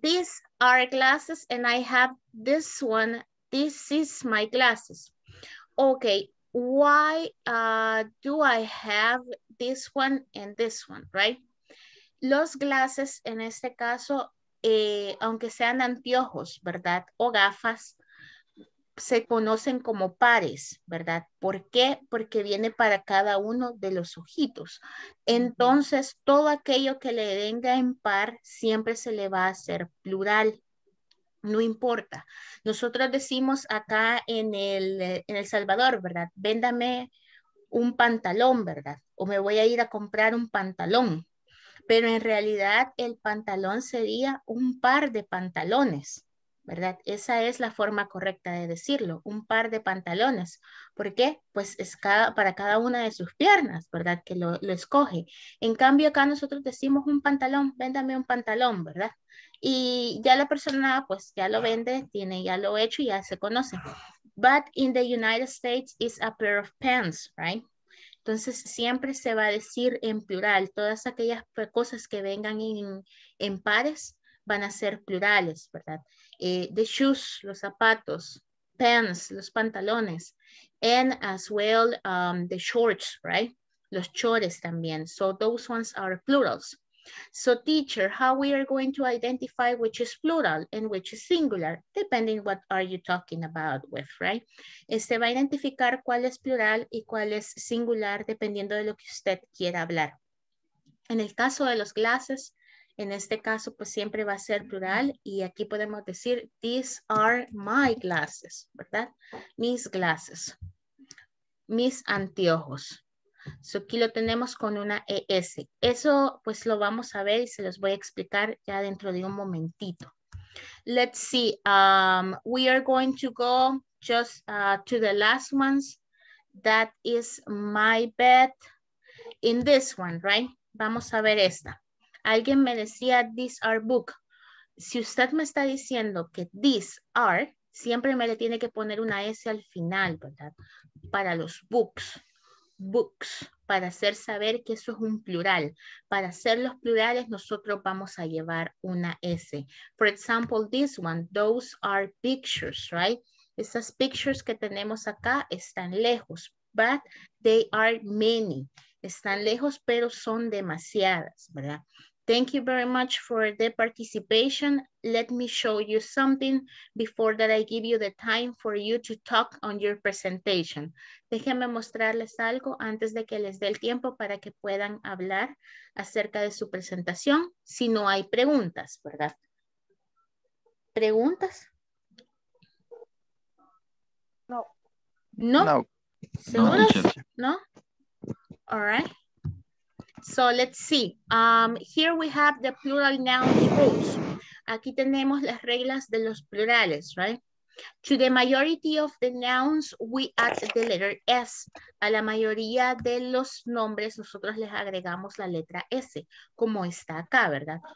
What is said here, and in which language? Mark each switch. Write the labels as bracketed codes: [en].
[en] These are glasses and I have this one. This is my glasses. Okay. Why do I have this one and this one, right? [es] Los glasses, en este caso, aunque sean anteojos, ¿verdad? O gafas. Se conocen como pares, ¿verdad? ¿Por qué? Porque viene para cada uno de los ojitos. Entonces, todo aquello que le venga en par siempre se le va a hacer plural. No importa. Nosotros decimos acá en El Salvador, ¿verdad? Véndame un pantalón, ¿verdad? O me voy a ir a comprar un pantalón. Pero en realidad el pantalón sería un par de pantalones, ¿verdad? Esa es la forma correcta de decirlo, un par de pantalones. ¿Por qué? Pues es para cada una de sus piernas, ¿verdad? Que lo escoge. En cambio, acá nosotros decimos un pantalón, véndame un pantalón, ¿verdad? Y ya la persona, pues ya lo vende, tiene ya lo hecho y ya se conoce. [en] But in the United States, it's a pair of pants, right? [es] Entonces, siempre se va a decir en plural todas aquellas cosas que vengan en pares. Van a ser plurales, ¿verdad? [en] The shoes, [es] los zapatos, [en] pants, [es] los pantalones, [en] and as well the shorts, right? [es] Los chores también. [en] So those ones are plurals. So teacher, how we are going to identify which is plural and which is singular, depending what are you talking about with, right? [es] Este va a identificar cuál es plural y cuál es singular dependiendo de lo que usted quiera hablar. En el caso de los glasses, en este caso, pues siempre va a ser plural y aquí podemos decir, [en] these are my glasses, [es] ¿verdad? Mis glasses, mis anteojos. So aquí lo tenemos con una ES. Eso pues lo vamos a ver y se los voy a explicar ya dentro de un momentito. [en] Let's see, we are going to go just to the last ones. That is my bed in this one, right? [es] Vamos a ver esta. Alguien me decía, [en] these are book. [es] Si usted me está diciendo que these are, siempre me le tiene que poner una S al final, ¿verdad? Para los books. Books. Para hacer saber que eso es un plural. Para hacer los plurales, nosotros vamos a llevar una S. [en] For example, this one, those are pictures, right? [es] Esas pictures que tenemos acá están lejos, [en] but they are many. [es] Están lejos, pero son demasiadas, ¿verdad? [en] Thank you very much for the participation. Let me show you something before that I give you the time for you to talk on your presentation. [es] Déjenme mostrarles algo antes de que les dé el tiempo para que puedan hablar acerca de su presentación. Si no hay preguntas, ¿verdad? ¿Preguntas? No. ¿No? No. ¿Seguros? No. No? [en] All right. So let's see, here we have the plural nouns rules. [es] Aquí tenemos las reglas de los plurales, right? [en] To the majority of the nouns, we add the letter S. [es] A la mayoría de los nombres, nosotros les agregamos la letra S, como está acá, ¿verdad?